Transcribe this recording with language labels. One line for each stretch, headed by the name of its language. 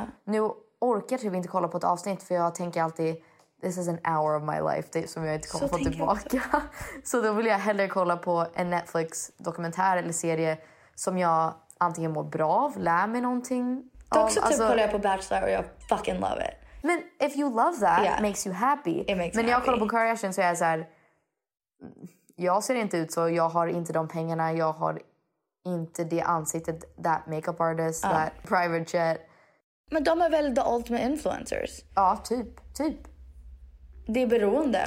Swedish: Nu orkar typ inte kolla på ett avsnitt för jag tänker alltid,
English: this is an hour of my life
Swedish: som jag inte kommer få tillbaka. Så då vill jag hellre kolla på en Netflix-dokumentär eller serie som jag antingen mår bra av, lär mig någonting av. Då också typ alltså, kollar jag på Bachelor och jag
English: fucking love it.
Swedish: Men
English: if you love that, yeah, makes you happy. It makes
Swedish: men
English: me
Swedish: jag
English: happy.
Swedish: Kollar på Kardashian så är jag så här, jag ser inte ut så, jag har inte de pengarna, jag har inte det ansiktet,
English: that makeup artist, that private jet.
Swedish: Men de är väl
English: the ultimate influencers?
Swedish: Ja, typ. Det är beroende